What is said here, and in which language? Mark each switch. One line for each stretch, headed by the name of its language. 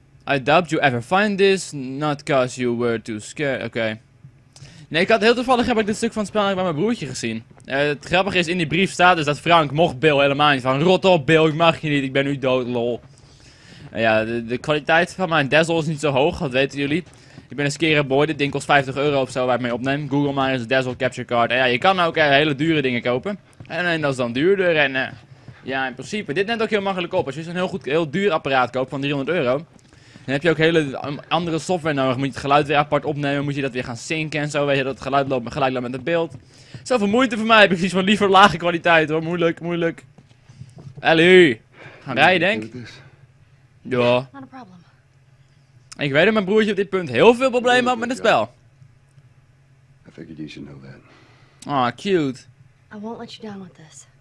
English: I doubt you ever find this, not cause you were too scared, oké.
Dutch: Nee, ik had heel toevallig heb ik dit stuk van het spel bij mijn broertje gezien. Het grappige is, in die brief staat dus dat Frank mocht Bill helemaal niet van, rot op Bill, ik mag je niet, ik ben nu dood, lol. Ja, de kwaliteit van mijn Dazzle is niet zo hoog, dat weten jullie. Ik ben een skere boy, dit ding kost €50 of zo waar ik mee opneem. Google maar eens Dazzle Capture Card. En ja, je kan ook hele dure dingen kopen. En dat is dan duurder en... Ja, in principe. Dit neemt ook heel makkelijk op. Als je zo'n heel duur apparaat koopt van €300, dan heb je ook hele andere software nodig. Moet je het geluid weer apart opnemen, moet je dat weer gaan synken en zo. Weet je dat het geluid loopt gelijk loopt met het beeld. Zoveel moeite voor mij heb ik zoiets van liever lage kwaliteit hoor. Moeilijk. Ellie, gaan rijden denk ik? Ja. Ik weet dat mijn broertje op dit punt heel veel problemen had met het spel.
English: I figured you should know that. Aw, cute. I won't let you down with this.